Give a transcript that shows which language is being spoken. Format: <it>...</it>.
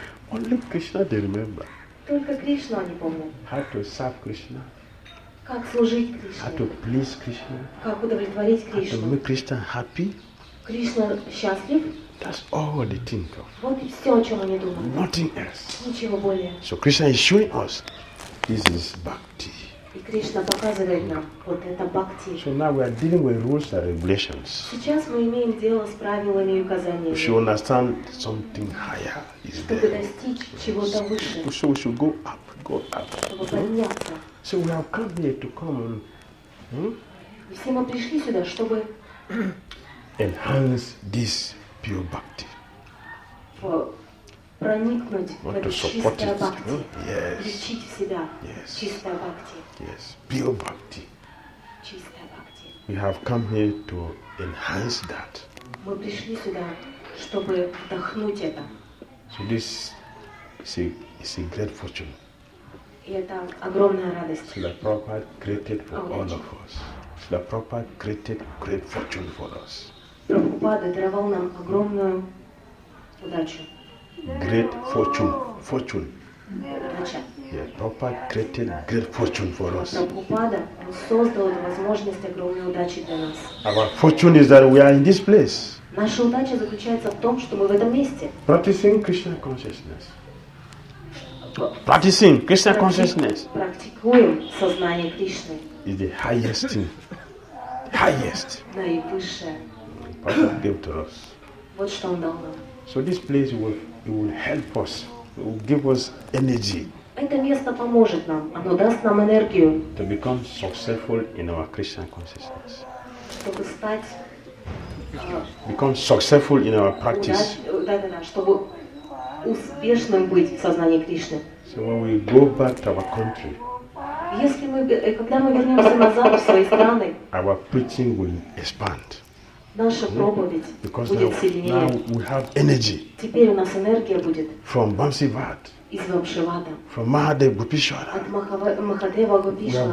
<en>Only Krishna they remember.</en> <ru>Только Кришну они помнят.</ru> <en>How to serve Krishna?</en> <ru>Как служить Кришне?</ru> <en>How to please Krishna?</en> <ru>Как удовлетворить Кришну?</ru> <en>How to make Krishna happy?</en> <ru>Кришна счастлив?</ru> <en>That's all they think of.</en> <ru>Вот и все, о чем они думают.</ru> <en>Nothing else.</en> <ru>Ничего более.</ru> <en>So Krishna is showing us this is bhakti.</en> <ru>И Кришна показывает нам вот это бхакти.</ru> <en>So now we are dealing with rules and regulations.</en> <ru>Сейчас мы имеем дело с правилами и указаниями.</ru> <en>We should understand something higher is there.</en> <ru>Чтобы достичь чего-то выше.</ru> <en>So we should go up, go up.</en> <ru>Чтобы подняться.</ru> <en>So we have come here to come and.</en> <ru>И все мы пришли сюда, чтобы</ru> <en>enhance this pure bhakti.</en> <ru>Проникнуть в эту чистую бхакти, лечить себя, чистая бхакти.</ru> <en>Yes, pure bhakti.</en> <ru>Чистая бхакти.</ru> <en>We have come here to enhance that.</en> <ru>Мы пришли сюда, чтобы вдохнуть это.</ru> <en>So this is a great fortune.</en> <ru>И это огромная радость.</ru> <en>Shrila Prabhupada created for all of us. Shrila Prabhupada created great fortune for us.</en> <ru>Прабхупада даровал нам огромную удачу.</ru> <en>Great fortune. Yeah, Prabhupada created great fortune for us.</en> <ru>Прабхупада создал эту возможность огромной удачи для нас.</ru> <en>Our fortune is that we are in this place.</en> <ru>Наша удача заключается в том, что мы в этом месте.</ru> <en>Practicing Krishna consciousness. Practicing Krishna consciousness.</en> <ru>Практикуем сознание Кришны.</ru> <en>Is the highest thing. Highest.</en> <ru>Наивысшее.</ru> <en>Prabhupada gave to us.</en> <ru>Вот что он дал нам.</ru> <en>So this place will help us. It will give us energy.</en> <ru>Это место поможет нам. Оно даст нам энергию.</ru> <en>To become successful in our Christian consciousness.</en> <ru>Чтобы стать.</ru> <en>Become successful in our practice.</en> <ru>Да, чтобы успешным быть в сознании Кришны.</ru> <en>So when we go back to our country.</en> <ru>Если мы когда мы вернемся назад в свои страны.</ru> <en>Our preaching will expand.</en> <ru>Наша проповедь будет сильнее.</ru> <en>Now we have energy.</en> <ru>Теперь у нас энергия будет.</ru> <en>From Bamsivad.</en> <ru>Из Вамшивада.</ru> <en>From Mahadev Gopishwara.</en> <ru>От Махадева Гопишвара.</ru>